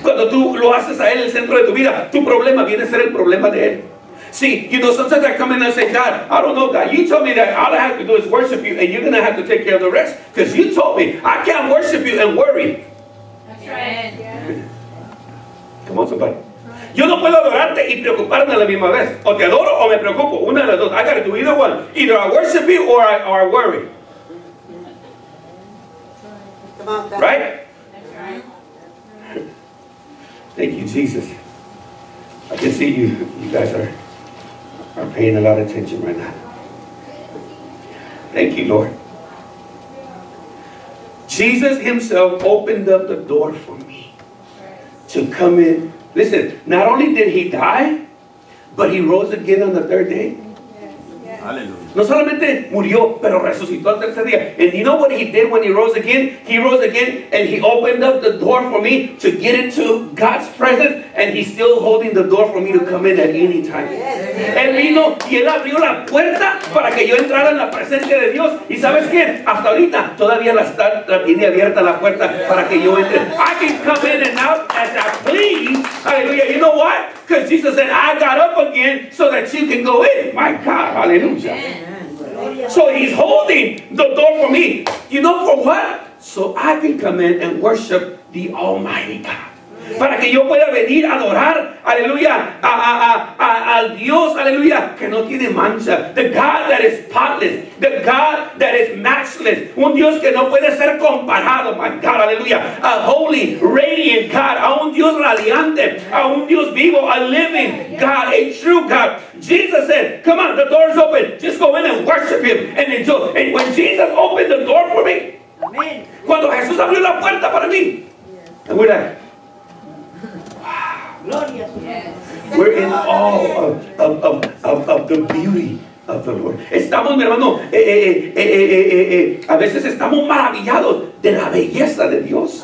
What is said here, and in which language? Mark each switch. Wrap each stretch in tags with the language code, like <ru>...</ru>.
<es>Cuando tú lo haces a él el centro de tu vida, tu problema viene a ser el problema de él.</es> <en>See, you know, sometimes I come in and say, God, I don't know, God. You told me that all I have to do is worship you, and you're going to have to take care of the rest. Because you told me I can't worship you and worry. Yeah. Come on, somebody.</en> <es>Yo no puedo adorarte y preocuparme a la misma vez. O te adoro o me preocupo. Una de las dos.</es> <en>I gotta do either one. Either I worship you or I worry. Come on, God. Right? That's right. Thank you, Jesus. I can see you guys are paying a lot of attention right now. Thank you, Lord. Jesus himself opened up the door for me to come in. Listen, not only did he die, but he rose again on the third day. Hallelujah.</en> <es>No solamente murió, pero resucitó al tercer día.</es> <en>And you know what he did when he rose again? He rose again and he opened up the door for me to get into God's presence, and he's still holding the door for me to come in at any time.</en> <es>Él vino y él abrió la puerta para que yo entrara en la presencia de Dios. ¿Y sabes qué? Hasta ahorita todavía la tiene abierta la puerta para que yo entre.</es> <en>I can come in and out as I please. Hallelujah. You know what? Because Jesus said, I got up again so that you can go in. My God, hallelujah. Amen. So he's holding the door for me. You know for what? So I can come in and worship the Almighty God.</en> <es>Para que yo pueda venir a adorar, aleluya, a Dios, aleluya, que no tiene mancha.</es> <en>The God that is spotless, the God that is matchless.</en> <es>Un Dios que no puede ser comparado,</es> <en>my God,</en> <es>aleluya.</es> <en>A holy, radiant God,</en> <es>a un Dios radiante, a un Dios vivo,</es> <en>a living God, a true God. Jesus said, come on, the door's open. Just go in and worship him and enjoy. And when Jesus opened the door for me, amen.</en> <es>Cuando Jesús abrió la puerta para mí,</es> <en>yes. We're like, yes. We're in awe of the beauty of the Lord.</en> <es>Estamos, mi hermano, a veces estamos maravillados de la belleza de Dios.</es>